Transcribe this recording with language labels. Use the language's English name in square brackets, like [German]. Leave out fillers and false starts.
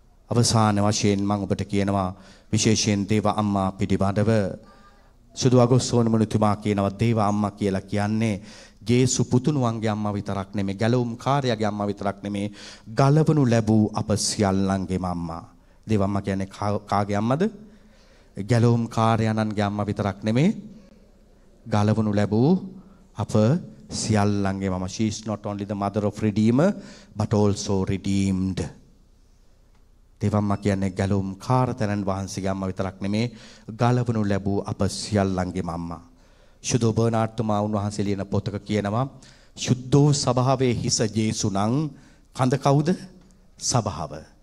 [Sinhala] අවසාන වශයෙන් මම ඔබට කියනවා, විශේෂයෙන් දේව අම්මා පිළිබඳව සුදු අගෝස්සෝන මුනිතුමා කියනවා, දේව අම්මා කියලා කියන්නේ ජේසු පුතුණුවන්ගේ අම්මා විතරක් නෙමේ, ගැලවුම් කාර්යයාගේ අම්මා විතරක් නෙමේ, ගලවනු ලැබූ අප සියල්ලන්ගේ අම්මා. දේව අම්මා කියන්නේ කාගේ අම්මද? ගැලවුම් කාර්යයන්න්ගේ අම්මා විතරක් නෙමේ, ගලවනු ලැබූ අප සියල්ලන්ගේ මම. [English] She is not only the mother of redeemer but also redeemed. [Sinhala] දේවම්මා කියන්නේ ගැලුම් කාරතරන් වහන්සේගේ අම්මා විතරක් නෙමේ, ගලවනු ලැබූ අප සියල්ලන්ගේ අම්මා. සුදෝ බර්නාඩ්තුමා උන්වහන්සේ ලියන පොතක කියනවා, සුද්ධෝ සභාවේ හිස ජේසුනම්. කඳ කවුද? සභාව.